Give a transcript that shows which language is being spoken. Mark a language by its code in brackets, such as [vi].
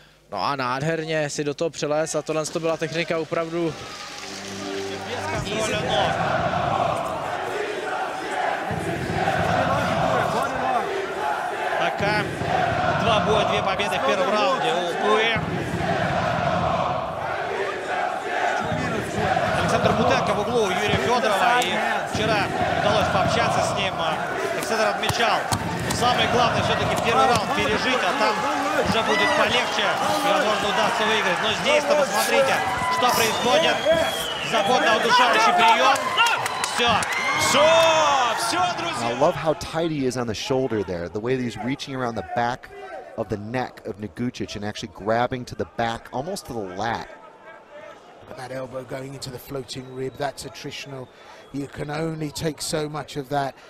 [cs] No a nádherně si do toho přelez a tohle byla technika opravdu. Tak dva boje, dvě pobědy v prvním raundě u Kuje. [ru] Александр Бутенко в углу у Юрия Федорова, и вчера удалось пообщаться с ним. Александр отмечал, самое главное все-таки первый раунд пережить, а там уже будет полегче, и возможно удастся выиграть. Но здесь-то посмотрите, что происходит. Заботно удушающий прием. Все, друзья! [en] I love how tight he is on the shoulder there, the way that he's reaching around the back of the neck of Nagucic and actually grabbing to the back, almost to the lat. That elbow going into the floating rib, that's attritional. You can only take so much of that.